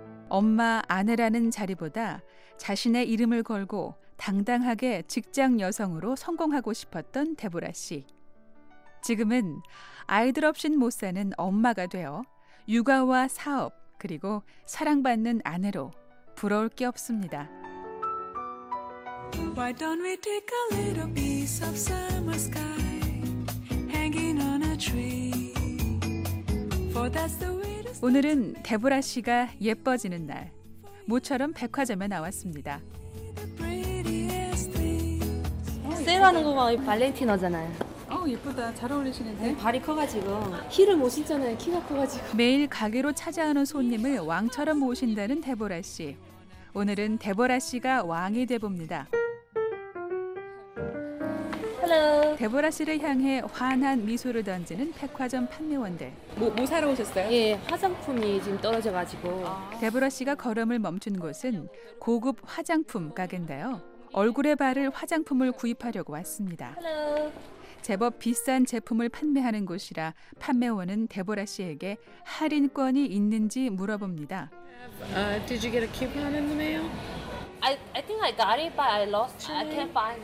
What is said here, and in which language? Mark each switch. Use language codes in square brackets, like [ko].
[ko] 엄마, 아내라는 자리보다 자신의 이름을 걸고 당당하게 직장 여성으로 성공하고 싶었던 데보라 씨. 지금은 아이들 없인 못 사는 엄마가 되어 육아와 사업, 그리고 사랑받는 아내로 부러울 게 없습니다. [en] Why don't we take a little piece of summer sky? Hanging on a tree. For that's the way to stay. [ko] 오늘은 데보라 씨가 예뻐지는 날, 모처럼 백화점에 나왔습니다. 세일하는 거 봐요. 발렌티노잖아요. 예쁘다. 잘 어울리시는데. 발이 커가지고. 힐을 못 신잖아요. 키가 커가지고. 매일 가게로 찾아오는 손님을 왕처럼 모신다는 데보라 씨. 오늘은 데보라 씨가 왕이 돼봅니다. [en] Hello. [ko] 데보라 씨를 향해 환한 미소를 던지는 백화점 판매원들. 뭐 사러 오셨어요? 예, 화장품이 지금 떨어져가지고. 데보라 씨가 걸음을 멈춘 곳은 고급 화장품 가게인데요. 얼굴에 바를 화장품을 구입하려고 왔습니다. [en] Hello. [ko] 제법 비싼 제품을 판매하는 곳이라 판매원은 데보라 씨에게 할인권이 있는지 물어봅니다. [en] Did you get a coupon in the mail? I think I got it, but I lost it. I can't find